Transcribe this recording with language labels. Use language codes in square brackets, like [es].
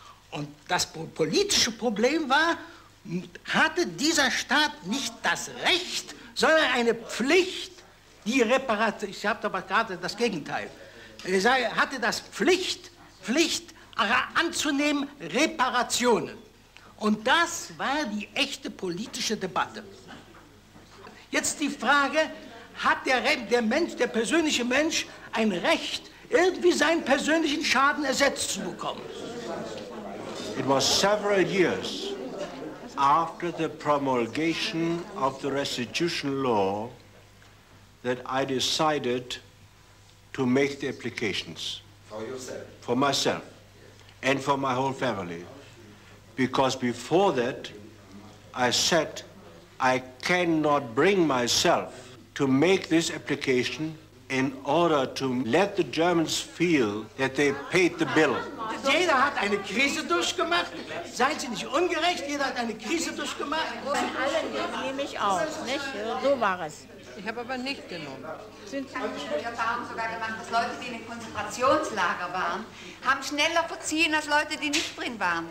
[de] Und das politische Problem war, hatte dieser Staat nicht das Recht, sondern eine Pflicht, die Reparation, ich habe aber gerade das Gegenteil, hatte das Pflicht anzunehmen, Reparationen. Und das war die echte politische Debatte. Jetzt die Frage, hat der Mensch, der persönliche Mensch, ein Recht, irgendwie seinen persönlichen Schaden ersetzt zu bekommen? [en] It was several years after the promulgation of the restitution law that I decided to make the applications. For yourself? For myself, and for my whole family. Because before that, I said, I cannot bring myself to make this application in order to let the Germans feel that they paid the bill. [de] Jeder hat eine Krise durchgemacht. Seien Sie nicht ungerecht, jeder hat eine Krise durchgemacht. Von allen nehme ich auf, nicht? So war es. Ich habe aber nicht genommen. Ich habe die Erfahrung sogar gemacht, dass Leute, die in den Konzentrationslager waren, haben schneller verziehen als Leute, die nicht drin waren.